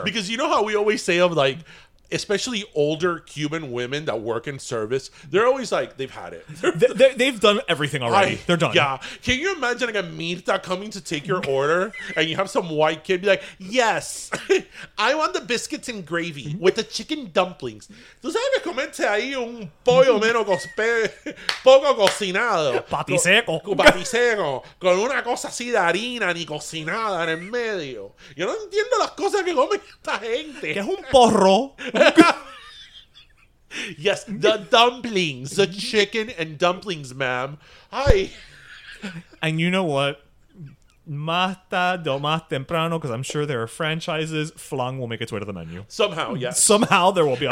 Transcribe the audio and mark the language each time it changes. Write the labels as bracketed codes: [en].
[en] Because you know how we always say of, like, especially older Cuban women that work in service, they're always like, they've had it. They've done everything already. They're done. Yeah. Can you imagine like a Mirta coming to take your order and you have some white kid be like, yes, I want the biscuits and gravy with the chicken dumplings. [es] ¿Tú sabes que comete ahí un pollo menos poco cocinado? Patiseco. Patiseco. Con una cosa así de harina ni cocinada en el medio. Yo no entiendo las cosas que come esta gente. Que es un porro. [en] Yes, the dumplings, the chicken and dumplings, ma'am. Hi. And you know what? [es] Más tarde o más temprano, [en] because I'm sure there are franchises, flan will make its way to the menu. Somehow, yes. Somehow there will be a